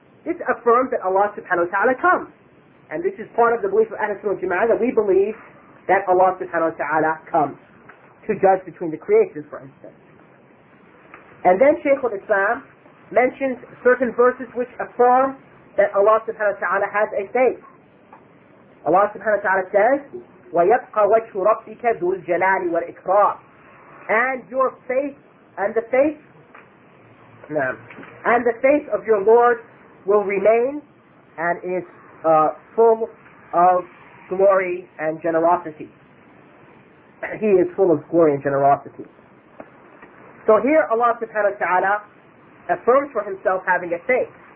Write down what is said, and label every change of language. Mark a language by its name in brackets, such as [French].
[English] This affirms that Allah subhanahu wa ta'ala comes. And this is part of the belief of Ahlul Sunnah Jama'ah, that we believe that Allah subhanahu wa ta'ala comes to judge between the creations, for instance. And then Shaykh al-Islam mentions certain verses which affirm that Allah subhanahu wa ta'ala has a face. Allah subhanahu wa ta'ala says, [Arabic] وَيَبْقَ وَجْهُ رَبِّكَ ذُو الْجَلَالِ وَالْإِكْرَامِ. [English] And your face, and the face, and the face of your Lord will remain and is full of glory and generosity. He is full of glory and generosity. So here Allah subhanahu wa ta'ala affirms for Himself having a face.